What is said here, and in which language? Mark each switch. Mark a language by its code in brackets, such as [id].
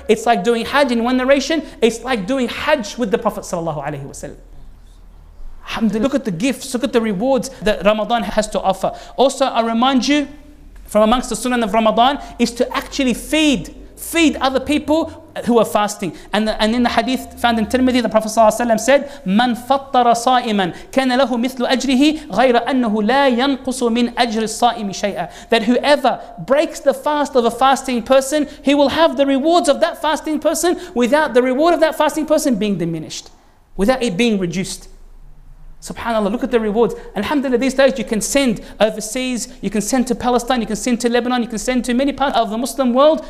[en] It's like doing hajj in one narration. It's like doing hajj with the Prophet sallallahu alayhi wa sallam. Look at the gifts, look at the rewards that Ramadan has to offer. Also, I remind you, from amongst the sunnah of Ramadan, is to actually feed other people who are fasting. And in the hadith found in Tirmidhi, the Prophet ﷺ said, [ar] مَنْ فَطَّرَ صَائِمًا كَانَ لَهُ مِثْلُ أَجْرِهِ غَيْرَ أَنَّهُ لَا يَنْقُصُ مِنْ أَجْرِ الصَّائِمِ شَيْئًا. [en] That whoever breaks the fast of a fasting person, he will have the rewards of that fasting person without the reward of that fasting person being diminished, without it being reduced. SubhanAllah, look at the rewards. Alhamdulillah, these days you can send overseas, you can send to Palestine, you can send to Lebanon, you can send to many parts of the Muslim world.